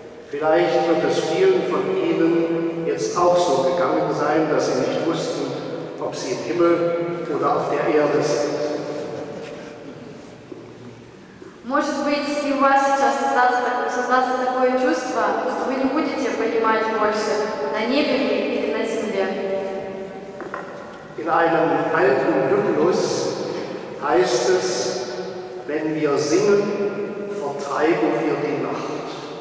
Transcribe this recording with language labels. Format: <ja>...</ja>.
<de>Vielleicht wird es vielen von Ihnen jetzt auch so gegangen sein, dass Sie nicht wussten, ob Sie im Himmel oder auf der Erde sind.</de> <ru>Может быть, и у вас сейчас создастся такое чувство, что вы не будете понимать больше, на небе или на земле.</ru> <de>In einem alten Hymnus heißt es, wenn wir singen, vertreiben wir die Nacht.</de>